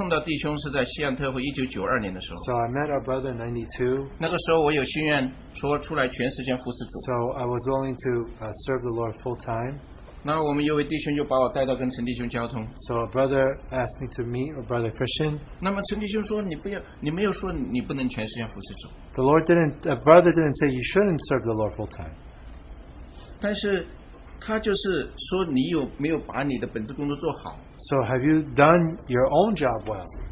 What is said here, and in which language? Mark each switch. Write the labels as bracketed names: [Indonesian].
[Chinese] 感谢主，我在第一次碰到弟兄是在西安特会1992年的时候。 [English] So I met our brother in 92. [Chinese] 那个时候我有心愿说出来全时间服侍主。 [English] So I was willing to serve the Lord full time. [Chinese] 那我们有位弟兄就把我带到跟陈弟兄交通。 [English] So a brother asked me to meet a brother Christian. [Chinese] 那么陈弟兄说你没有说你不能全时间服侍主。 [English] The Lord didn't, a brother didn't say you shouldn't serve the Lord full time. [Chinese] 但是 他就是说你有没有把你的本职工作做好。 [English] So have you done your own job well?